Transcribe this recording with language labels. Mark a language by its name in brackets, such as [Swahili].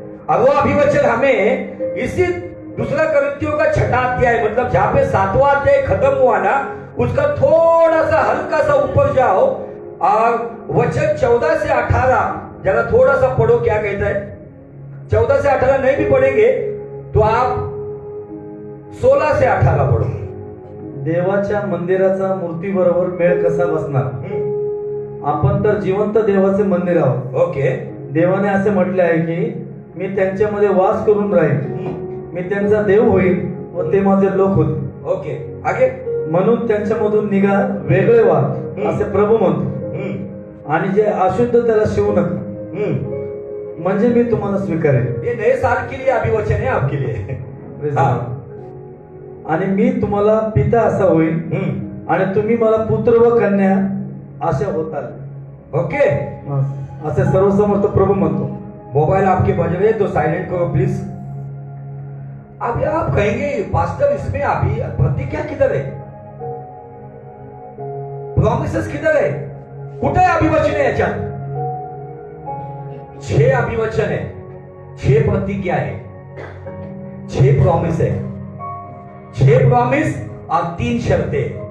[Hindi] और वो अभिवचन हमें इसी दूसरा कृतियों का 6 अध्याय, मतलब जहां पे 7वां अध्याय खत्म हुआ ना, उसका थोड़ा सा हल्का सा ऊपर जाओ और वचन 14-18 जरा थोड़ा सा पढ़ो क्या कहता है। 14-18 नहीं भी पढ़ेंगे तो आप 16-18 पढ़ो। [Marathi] देवाच्या मंदिराचा मूर्ती बरोबर मेळ कसा बसणार? आपण तर जिवंत देवाचे मंदिर आहोत। [English] okay, [Marathi] देवाने असे म्हटले आहे की मी त्यांच्यामध्ये वास करून राहीन, मी त्यांचा देव होईल व ते माझे लोक होतील। [Hindi] ओके, आगे [Marathi] म्हणून त्यांच्यामधून निघा, वेगळे व्हा असे प्रभू म्हणतो, आणि जे अशुद्ध त्याला शिवू नका म्हणजे मी तुम्हाला स्वीकारेल। [Hindi] हे नए साल के लिए अभिवचन है आपके लिए। [Marathi] आणि मी तुम्हाला पिता असा होईल आणि तुम्ही मला पुत्र व कन्या असे होताल। [English] okay, [Marathi] असे सर्वसमर्थ प्रभू म्हणतो। [Hindi] मोबाइल आपके बज रहे तो साइलेंट करो प्लीज। अभी आप कहेंगे पास्टर इसमें अभी प्रतिज्ञा किधर है, प्रॉमिसेस किधर है, [Marathi] कुठे अभिवचन [Hindi] है? अच्छा छह अभिवचन है, छह प्रतिज्ञा है, छह प्रॉमिस है, छह प्रॉमिस और तीन शर्तें।